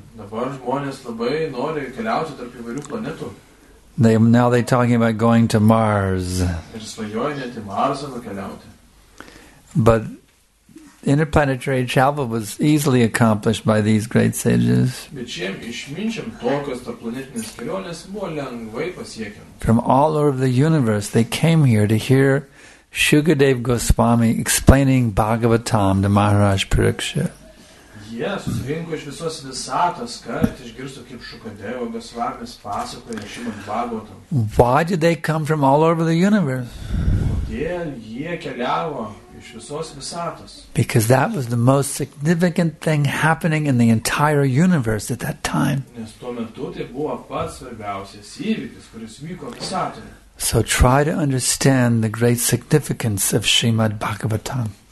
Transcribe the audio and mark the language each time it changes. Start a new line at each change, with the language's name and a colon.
Lithuanian: Dabar žmonės labai nori keliauti tarp įvairių planetų.
English: Now they're talking about going to Mars.
Lithuanian: Ir svajoja net į Marsą nukeliauti.
English: But interplanetary travel was easily accomplished by these great sages.
Lithuanian: Bet šiem išminčiam tokios tarpplanetinės kelionės buvo lengvai pasiekiamos.
English: From all over the universe, they came here to hear Shukadev Goswami explaining Bhagavatam to Maharaj Pariksit.
Lithuanian: Yes, susirinko iš visos visatos, kad išgirstų, kaip Šukadeva Goswamis pasakoja Šrimad Bhagavatam.
English: Why did they come from all over the universe?
Lithuanian: Kodėl jie keliavo iš visos visatos?
English: Because that was the most significant thing happening in the entire universe at that time.
Lithuanian: Nes tuo metu tai buvo pats svarbiausias įvykis, kuris vyko visatoje.
English: So try to understand the great significance of Srimad Bhagavatam.